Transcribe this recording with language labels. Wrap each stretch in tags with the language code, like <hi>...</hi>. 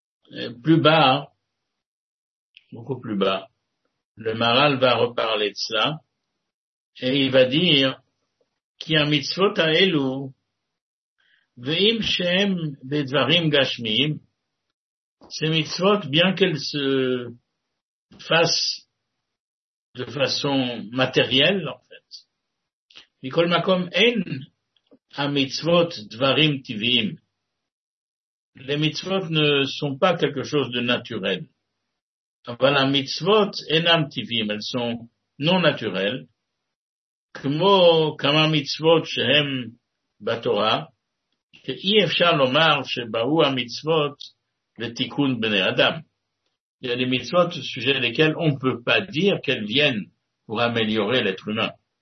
<fr>Et plus bas, beaucoup plus bas, le Maharal va reparler de ça, et il va dire qu'il y a mitzvot à elu,</fr> <he>ve'im shem bedvarim gashmim,</he> <fr>ces mitzvot, bien qu'elles se fassent de façon matérielle, en fait,</fr> <he>מכל מקום אין המצוות דברים טבעיים.</he> <fr>Les mitzvot ne sont pas quelque chose de naturel.</fr> <he>אבל המצוות אינם טבעיים,</he> <fr>elles sont non naturelles,</fr> <he>כמו כמה מצוות שהם בתורה, שאי אפשר לומר שבאו המצוות לתיקון בני אדם.</he> <fr>Il y a des mitzvot au sujet desquelles on ne peut pas dire qu'elles viennent pour améliorer l'être humain.</fr>